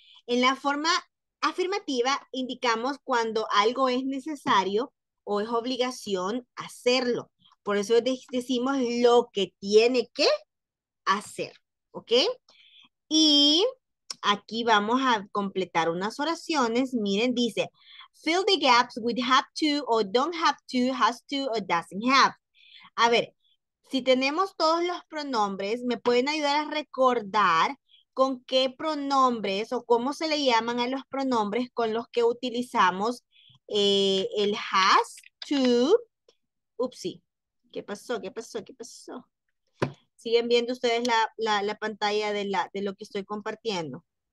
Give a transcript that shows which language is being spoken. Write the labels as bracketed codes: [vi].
[es] En la forma afirmativa indicamos cuando algo es necesario o es obligación hacerlo. Por eso decimos lo que tiene que hacer, ¿ok? Y aquí vamos a completar unas oraciones. Miren, dice, [en] fill the gaps with have to or don't have to, has to or doesn't have. [es] A ver, si tenemos todos los pronombres, ¿me pueden ayudar a recordar con qué pronombres o cómo se le llaman a los pronombres con los que utilizamos el has to? Upsi, ¿qué pasó? ¿Qué pasó? ¿Qué pasó? ¿Siguen viendo ustedes la pantalla de lo que estoy compartiendo?